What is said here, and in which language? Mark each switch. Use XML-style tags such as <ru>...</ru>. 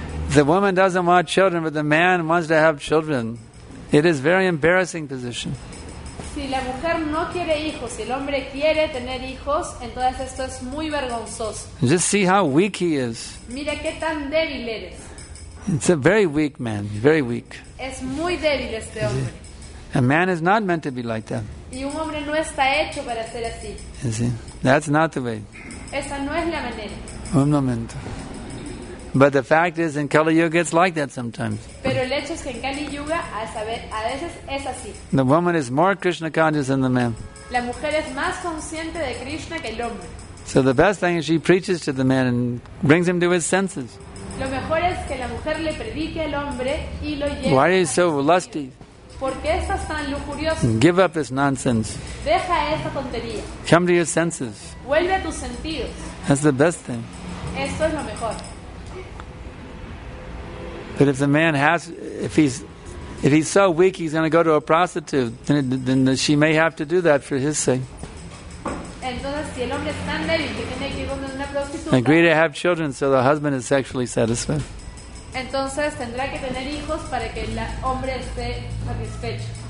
<en>The woman doesn't want children, but the man wants to have children. It is a very embarrassing position.</en> <es>Si la mujer no quiere hijos, si el hombre quiere tener hijos, entonces esto es muy vergonzoso.</es> <en>Just see how weak he is.</en> <es>Mira qué tan débil eres.</es> <en>It's a very weak man, very weak.</en> <es>Es muy débil este hombre.</es> <en>A man is not meant to be like that.</en> <es>Y un hombre no está hecho para ser así.</es> <en>You see? That's not the way.</en> <es>Esa no es la manera. Un momento.</es> <en>But the fact is, in Kali Yuga, it's like that sometimes.</en> <es>Pero el hecho es que en Kali Yuga, a saber, a veces es así.</es> <en>The woman is more Krishna conscious than the man.</en> <es>La mujer es más consciente de Krishna que el hombre.</es> <en>So the best thing is she preaches to the man and brings him to his senses.</en> <es>Lo mejor es que la mujer le predique al hombre y lo lleve.</es> <en>Why are you so lusty?</en> <es>¿Por qué estás tan lujurioso?</es> <en>Give up this nonsense.</en> <es>Deja esa tontería.</es> <en>Come to your senses.</en> <es>Vuelve a tus sentidos.</es> <en>That's the best thing.</en> <es>Esto es lo mejor.</es> <en>But if the man has, if he's so weak, he's going to go to a prostitute. Then she may have to do that for his sake.</en> <es>Entonces, si el hombre es tan débil que tiene que ir con una prostituta.</es> <en>Agree to have children so the husband is sexually satisfied.</en> <es>Entonces tendrá que tener hijos para que el hombre esté satisfecho.</es>